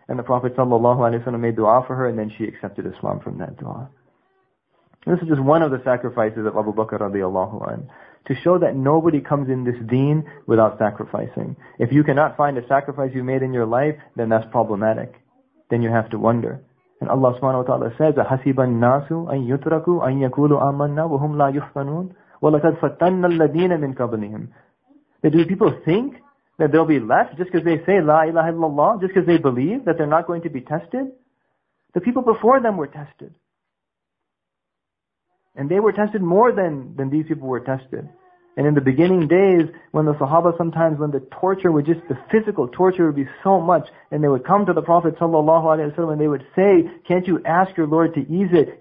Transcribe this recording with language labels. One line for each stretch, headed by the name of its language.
English: And the Prophet sallallahu alayhi wa sallam made dua for her, and then she accepted Islam from that dua. This is just one of the sacrifices of Abu Bakr radiallahu anhu, to show that nobody comes in this deen without sacrificing. If you cannot find a sacrifice you made in your life, then that's problematic. Then you have to wonder. And Allah subhanahu wa ta'ala says,
Arabic: أَحَسِبَ النَّاسُ أَن يُتْرَكُوا أَن يَكُولُوا آمَنَّا وَهُمْ لَا يُفْتَنُونَ وَلَكَدْ فَتَّنَّ الَّذِينَ مِنْ قَبْلِهِمْ.
English: Do people think that they'll be left just because they say La ilaha illallah, just because they believe that they're not going to be tested? The people before them were tested. And they were tested more than these people were tested. And in the beginning days, when the Sahaba sometimes, when the torture would just, the physical torture would be so much, and they would come to the Prophet sallallahu alaihi wasallam, and they would say, can't you ask your Lord to ease it?